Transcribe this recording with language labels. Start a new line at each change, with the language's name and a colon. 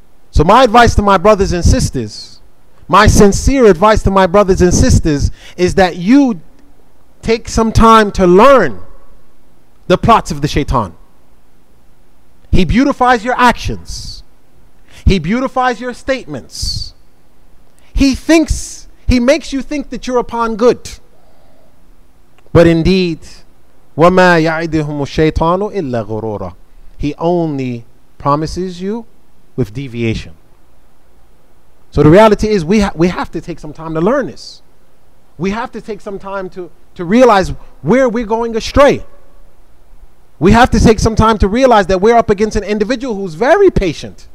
English: So my advice to my brothers and sisters, my sincere advice to my brothers and sisters, is that you take some time to learn the plots of the shaitan. He beautifies your actions. He beautifies your statements. He makes you think that you're upon good. But indeed,
Arabic: وَمَا يَعِدِهُمُ الشَّيْطَانُ إِلَّا غُرُورًا.
English: He only promises you with deviation. So the reality is we have to take some time to learn this. We have to take some time to realize where we're going astray. We have to take some time to realize that we're up against an individual who's very patient.